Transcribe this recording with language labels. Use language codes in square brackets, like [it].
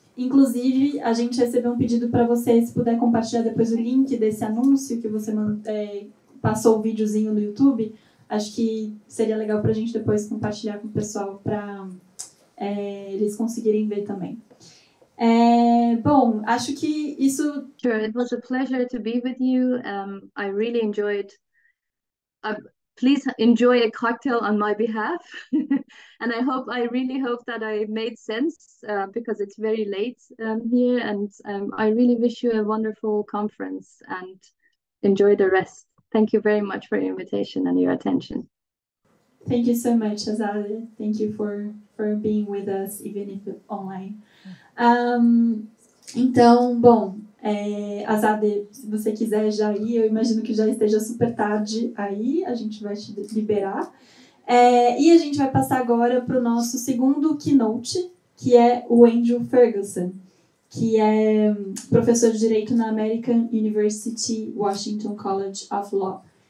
[pt] Inclusive, a gente recebeu um pedido para você, se puder compartilhar depois o link desse anúncio que você passou o videozinho no YouTube, acho que seria legal para a gente depois compartilhar com o pessoal para eles conseguirem ver também. Bom, acho que isso... [en] Sure, it was a pleasure to be with you. I really enjoyed... Please enjoy a cocktail on my behalf. And I really hope that I made sense because it's very late here. And I really wish you a wonderful conference and enjoy the rest. Thank you very much for your invitation and your attention. Thank you so much, Azale. Thank you for being with us, even if online. [pt] Então, bom, Azade, se você quiser já ir, eu imagino que já esteja super tarde aí, a gente vai te liberar. E a gente vai passar agora para o nosso segundo keynote, que é o Andrew Ferguson, que é professor de Direito na American University Washington College of Law.